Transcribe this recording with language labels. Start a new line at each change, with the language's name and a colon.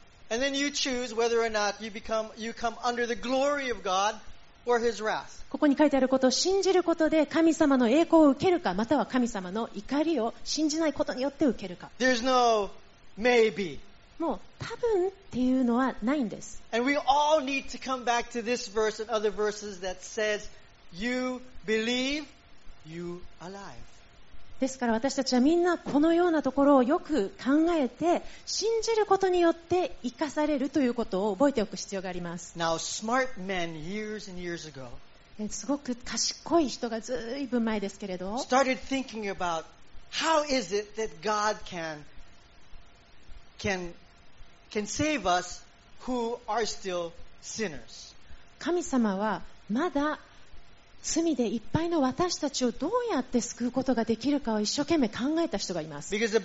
English: And then you choose whether or not you come under the glory of God or His wrath.
Japanese: ここに書いてあることを信じることで神様の栄光を受けるか、または神様の怒りを信じないことによって受けるか。
English: There's no maybe.
Japanese: もう多分っていうのはないんです。
English: And we all need to come back to this verse and other verses that says, "You believe, you alive."
Japanese: ですから私たちはみんなこのようなところをよく考えて、信じることによって生かされるということを覚えておく必要があります。
English: Now, smart men, years and years ago,
Japanese: すごく賢い人がずいぶん前ですけれど、
English: started thinking about how is it that God can save us who are still sinners.
Japanese: 神様はまだ罪でいっぱいの私たちをどうやって救うことができるかを一生懸命考えた人がいます。